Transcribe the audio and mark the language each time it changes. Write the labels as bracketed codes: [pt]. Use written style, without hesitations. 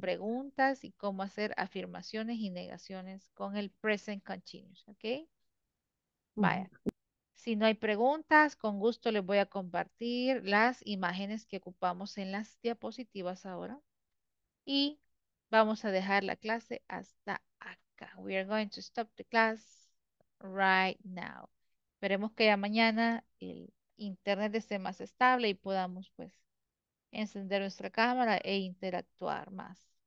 [es] preguntas y cómo hacer afirmaciones y negaciones con el present continuous, ¿ok? Vaya. Si no hay preguntas, con gusto les voy a compartir las imágenes que ocupamos en las diapositivas ahora. Y vamos a dejar la clase hasta acá. [en] We are going to stop the class right now. [es] Esperemos que ya mañana el internet esté más estable y podamos, pues, encender nuestra cámara e interactuar más.